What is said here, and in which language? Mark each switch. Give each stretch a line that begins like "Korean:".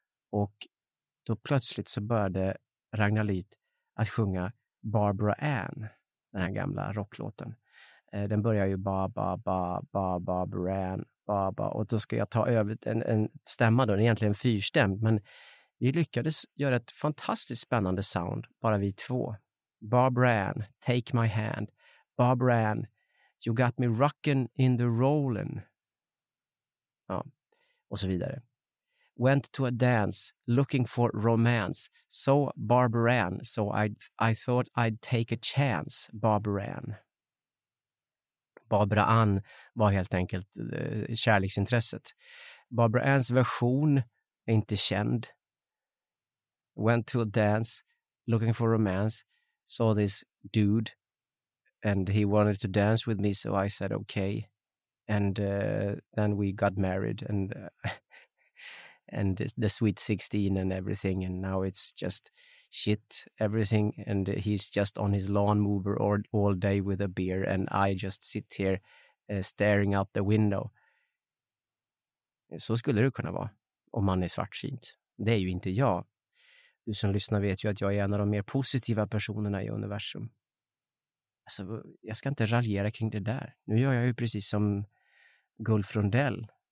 Swedish: Och då plötsligt så började Ragnar Lyth att sjunga Barbara Ann, den här gamla rocklåten. Den börjar ju ba ba ba ba ba ba, och då ska jag ta över en stämma då, egentligen en fyrstämd, men vi lyckades göra ett fantastiskt spännande sound, bara vi två.
English: Barbara Ann, take my hand. Barbara Ann, you got me rockin' in the rollin'.
Swedish: Ja, och så vidare.
English: Went to a dance, looking for romance. So Barbara Ann, so I thought I'd take a chance, Barbara Ann.
Swedish: Barbara Ann var helt enkelt kärleksintresset. Barbara Anns version är inte känd.
English: Went to a dance, looking for romance. Saw this dude, and he wanted to dance with me, so I said okay. And then we got married, and the sweet 16 and everything, and now it's just shit, everything, and he's just on his lawn mower all day with a beer, and I just sit here staring out the window.
Swedish: Så skulle det kunna vara, om man är svartsynt. Det är ju inte jag. Du som lyssnar vet ju att jag är en av de mer positiva personerna i universum. Alltså, jag ska inte raljera kring det där. Nu gör jag ju precis som Gulf Rundell.